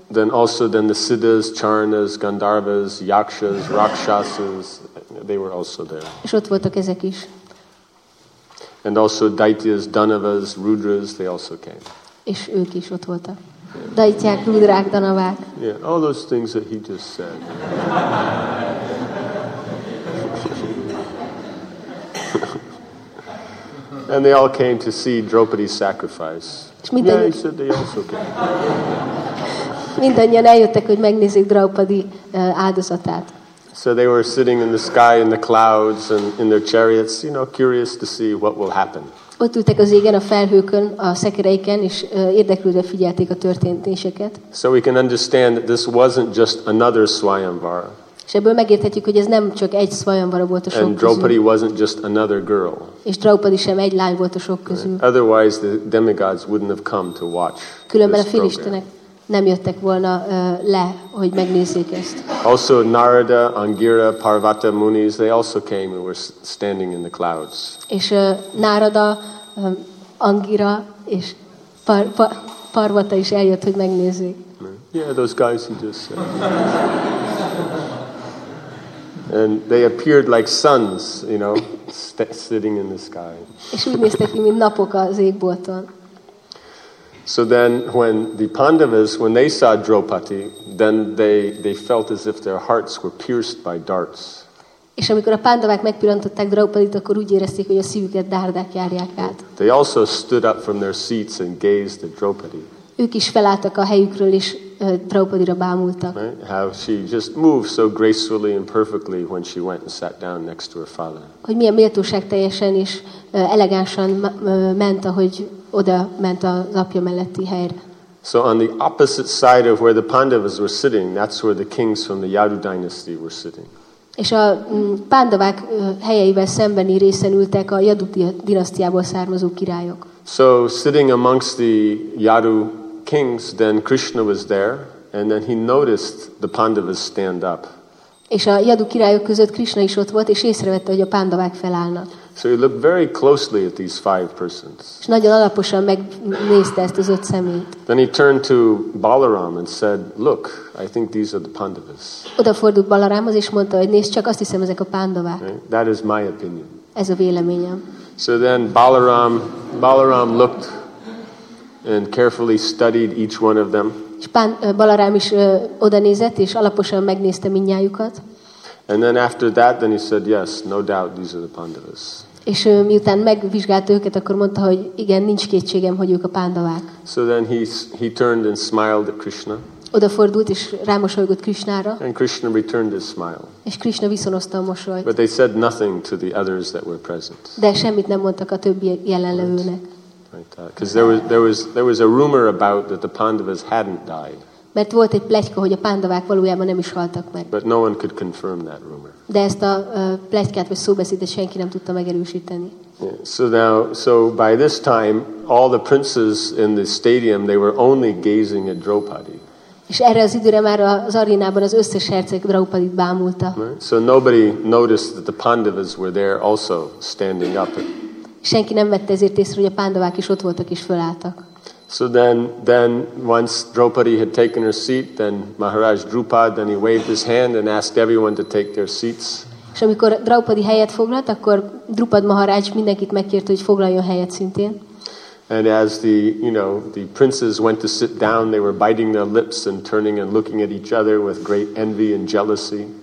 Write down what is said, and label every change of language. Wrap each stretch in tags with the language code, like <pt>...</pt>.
<en>Then also then the Siddhas, Charanas, Gandharvas, Yakshas, Rakshasas, they were also there.</en> <hu>És ott voltak ezek is.</hu> <en>And also Daityas, Danavas, Rudras, they also came.</en> <hu>És ők is ott voltak. Daityák, Rudrák, Danavák.</hu> <en>Yeah, all those things that he just said. And they all came to see Draupadi's sacrifice.</en> <hu>Mindannyian.</hu> <en>Yeah, he said they also came.</en> <hu>Mindannyian eljöttek, hogy megnézzék Draupadi áldozatát.</hu> <en>So they were sitting in the sky in the clouds and in their chariots, you know, curious to see what will happen.</en> <hu>Ott ültek az égen, a felhőkön, a szekereiken, és érdeklődve figyelték a történtéseket.</hu> <en>So we can understand that this wasn't just another Svayamvara.</en> <hu>És ebből megérthetjük, hogy ez nem csak egy Svayamvara volt a sok közül.</hu> <en>And Draupadi wasn't just another girl.</en> <hu>És Draupadi sem egy lány volt a sok közül.</hu> <en>Right. Otherwise the demigods wouldn't have come to watch.</en> <hu>Különben a félistenek nem jöttek volna le, hogy megnézzék ezt.</hu> <en>Also Narada, Angira, Parvata, Munis, they also came and were standing in the clouds.</en> <hu>És Narada, Angira és Parvata is eljött, hogy megnézzék.</hu> <en>Yeah, those guys he just said. And they appeared like suns, you know, sitting in the sky.</en> <hu>És úgy néztek ki, mint napok az égbolton.</hu> <en>So then when the Pandavas, when they saw Draupadi, then they felt as if their hearts were pierced by darts.</en> <hu>És amikor a pándavák megpillantották Draupadit, akkor úgy érezték, hogy a szívüket dárdák járják át.</hu> <en>They also stood up from their seats and gazed at Draupadi.</en> <hu>Ők is felálltak a helyükről, és Draupadira bámultak.</hu> <en>Right? How she just moved so gracefully and perfectly when she went and sat down next to her father.</en> <hu>Hogy milyen méltóság teljesen és elegánsan ment, ahogy oda ment az apja melletti helyre.</hu> <en>So on the opposite side of where the Pandavas were sitting, that's where the kings from the Yadu dynasty were sitting.</en> <hu>És a pándavák helyeivel szembeni részen ültek a Yadu dinasztiából származó királyok.</hu> <en>So sitting amongst the Yadu kings, then Krishna was there, and then he noticed the Pandavas stand up.</en> <hu>És a Yadu királyok között Krishna is ott volt, és észrevette, hogy a pándavák felállnak.</hu> <en>So he looked very closely at these five persons.</en> <hu>És nagyon alaposan megnézte ezt az öt szemét.</hu> <en>Then he turned to Balaram and said, "Look, I think these are the Pandavas."</en> <hu>Odafordult Balaramhoz és mondta, hogy nézd csak, azt hiszem ezek a pándavák.</hu> <en>Right? That is my opinion.</en> <hu>Ez a véleményem.</hu> <en>So then Balaram looked and carefully studied each one of them.</en> <hu>És Balaram is odanézett és alaposan megnézte mindnyájukat.</hu> <en>And then after that, then he said, "Yes, no doubt, these are the Pandavas."</en> <hu>És miután megvizsgálta őket, akkor mondta, hogy igen, nincs kétségem, hogy ők a pándavák.</hu> <en>So then he turned and smiled at Krishna.</en> <hu>Odafordult és rámosolygott Krishnára.</hu> <en>And Krishna returned his smile.</en> <hu>És Krishna viszonozta a mosolyt.</hu> <en>But they said nothing to the others that were present.</en> <hu>De semmit nem mondtak a többi jelenlevőnek.</hu> <en>Right, because there was a rumor about that the Pandavas hadn't died.</en> <hu>Mert volt egy pletyka, hogy a pándavák valójában nem is haltak meg.</hu> <en>But no one could confirm that rumor.</en> <hu>De ezt a pletykát vagy szóbeszédet senki nem tudta megerősíteni.</hu> <en>Yeah. So by this time all the princes in the stadium, they were only gazing at Draupadi.</en> <hu>És erre az időre már az arénában az összes herceg Draupadit bámulta.</hu> <en>Right? So nobody noticed that the Pandavas were there also standing up.</en> <hu>Senki nem vette ezért észre, hogy a pándavák is ott voltak és fölálltak.</hu> <en>So then once Draupadi had taken her seat, then Maharaj Drupad, then he waved his hand and asked everyone to take their seats.</en> <hu>És amikor Draupadi helyet foglalt, akkor Drupad Maharaj mindenkit megkérte, hogy foglaljon helyet szintén.</hu> <en>And as the princes went to sit down, they were biting their lips and turning and looking at each other with great envy and jealousy.</en>